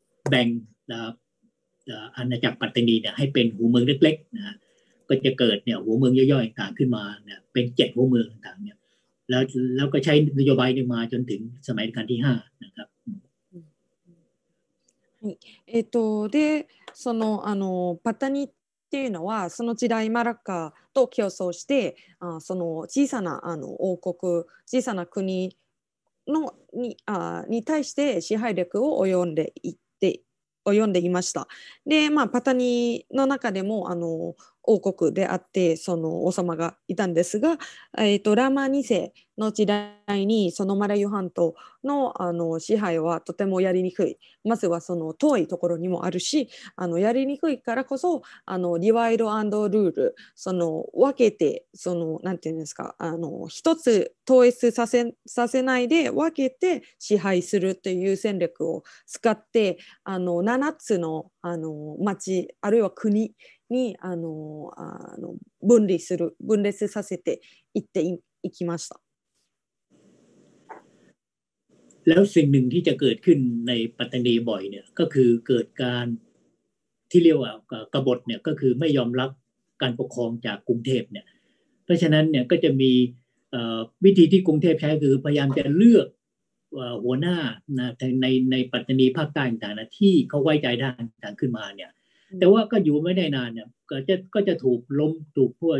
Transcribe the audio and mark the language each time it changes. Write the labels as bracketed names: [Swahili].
[Thai] แบ่งอาณาจักรปัตตานีเนี่ยให้เป็นหัวเมืองเล็กๆนะก็จะเกิดเนี่ยหัวเมืองย่อยๆต่างขึ้นมาเนี่ยเป็น7หัวเมืองต่างๆเนี่ยแล้วก็ใช้นโยบายนี้มาจนถึงสมัยรัชกาลที่5นะครับ [Japanese] でそのパタニっていうのはその時代マラッカと競争して、その小さなあの王国、小さな国のに、に対して支配力を及んでいって、及んでいました。で、まあ、パタニの中でもあの王国であって、その王様がいたんですが、ラーマ2世の時代に、そのマラユ半島 の、 あの支配はとてもやりにくい。まずはその遠いところにもあるし、あのやりにくいからこそ、あのディワイド&ルール、その分けて、その、なんていうんですか、あの一つ統一させないで分けて支配するという戦略を使って、あの7つ の、 あの町、あるいは国、にあのあの分離する分裂させていって いきました。 [Thai] แล้วสิ่งหนึ่งที่จะเกิดขึ้นในปัตตานีบ่อยเนี่ยก็คือเกิดการที่เรียกว่ากบฏเนี่ยก็คือไม่ยอมรับการปกครองจากกรุงเทพเนี่ยเพราะฉะนั้นเนี่ยก็จะมีวิธีที่กรุงเทพใช้คือพยายามจะเลือกหัวหน้านะในปัตตานีภาคใต้ต่างๆที่เขาไว้ใจได้ต่างขึ้นมาเนี่ยแต่ว่าก็อยู่ไม่ได้นานเนี่ยก็จะถูกล้มถูก